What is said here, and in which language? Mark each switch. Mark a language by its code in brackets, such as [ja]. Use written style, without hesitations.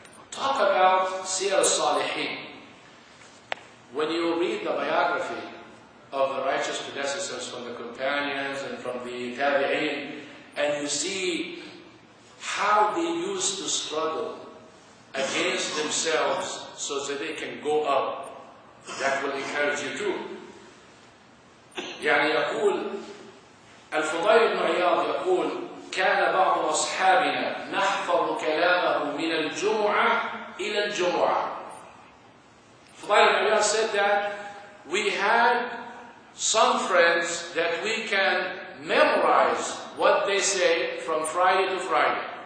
[en] Talk about Siyar al-Salihin. When you read the biography of the righteous predecessors from the companions and from the Tabi'in and you see how they used to struggle against themselves so that they can go up, that will encourage you too. [ar] يعني يقول الفضيل بن عياض يقول كان بعض أصحابنا نحفظ كلامه من الجمعة إلى الجمعة. [en] فضيل بن عياض said that we had some friends that we can memorize what they say from Friday to Friday.